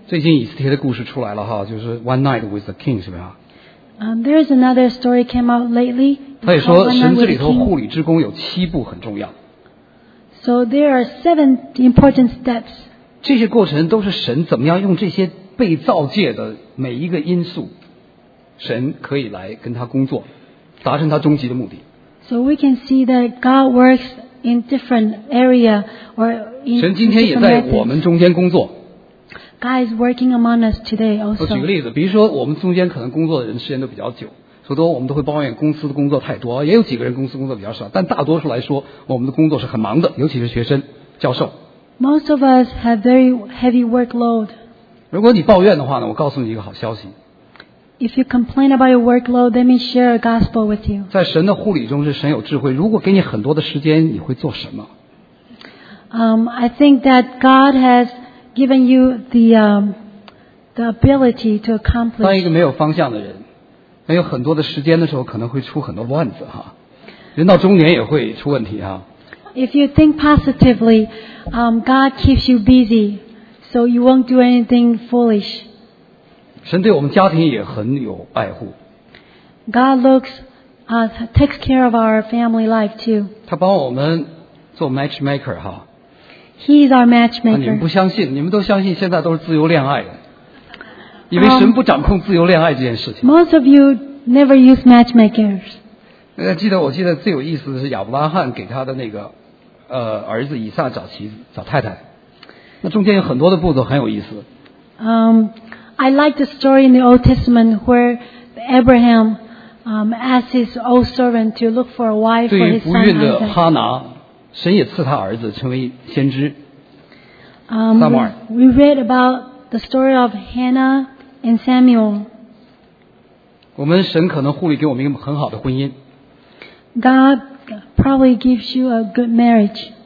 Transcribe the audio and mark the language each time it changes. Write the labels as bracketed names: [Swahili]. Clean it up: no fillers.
[Chinese] 最近以斯帖的故事出来了哈，就是 One Night with the King 是不是？ [English] There is another story came out lately. [Chinese] 他也说神子里头护理之功有七步很重要。 [English] So there are seven important steps. [Chinese] 这些过程都是神怎么样用这些被造界的每一个因素，神可以来跟他工作，达成他终极的目的。 [English] So we can see that God works in different area or in. [Chinese] 神今天也在我们中间工作。 [English] God is working among us today also. [Chinese] 我举个例子，比如说我们中间可能工作的人时间都比较久。所以我们都会抱怨公司的工作太多，也有几个人公司工作比较少，但大多数来说我们的工作是很忙的，尤其是学生教授。 [English] Most of us have very heavy workload. [Chinese] 如果你抱怨的话呢，我告诉你一个好消息。 [English] If you complain about your workload, let me share a gospel with you. [Chinese] 在神的护理中是神有智慧，如果给你很多的时间，你会做什么？ [English] I think that God has given you the ability to accomplish. [Chinese] 当一个没有方向的人，没有很多的时间的时候，可能会出很多乱子哈。人到中年也会出问题哈。 [English] If you think positively, God keeps you busy, so you won't do anything foolish. [Chinese] 神对我们家庭也很有爱护。 [English] God looks, takes care of our family life too. [Chinese] 他帮我们做 matchmaker 哈。 [English] He's our matchmaker. [Chinese] 你们不相信，你们都相信现在都是自由恋爱的。因为神不掌控自由恋爱这件事情。 [English] Most of you never use matchmakers. [Chinese] 我记得最有意思的是亚伯拉罕给他的那个儿子以撒找妻子找太太。那中间有很多的步骤很有意思。 [English] I like the story in the Old Testament where Abraham asked his old servant to look for a wife for his son. [Chinese] 对于不孕的哈拿，神也赐他儿子成为先知。 [English] We read aboutThe story of Hannah and Samuel. [Chinese] 我们神可能护理给我们一个很好的婚姻。 [English] God probably gives you a good marriage.